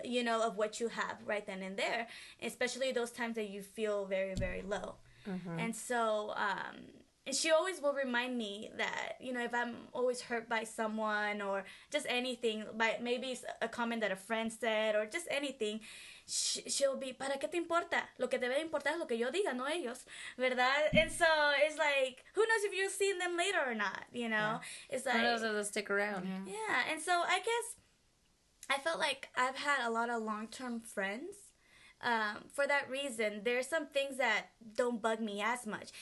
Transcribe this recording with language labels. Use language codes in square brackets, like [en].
[en] You know, of what you have right then and there, especially those times that you feel very, very low. Mm-hmm. And so, and she always will remind me that, you know, if I'm always hurt by someone or just anything, by maybe a comment that a friend said or just anything, she'll be, [es] ¿para qué te importa? Lo que debe importar es lo que yo diga, no ellos, ¿verdad? [en] And so it's like, who knows if you've seen them later or not, you know? Yeah. It's like, who knows if they'll stick around. Yeah, and so I guess I felt like I've had a lot of long-term friends. For that reason, there are some things that don't bug me as much.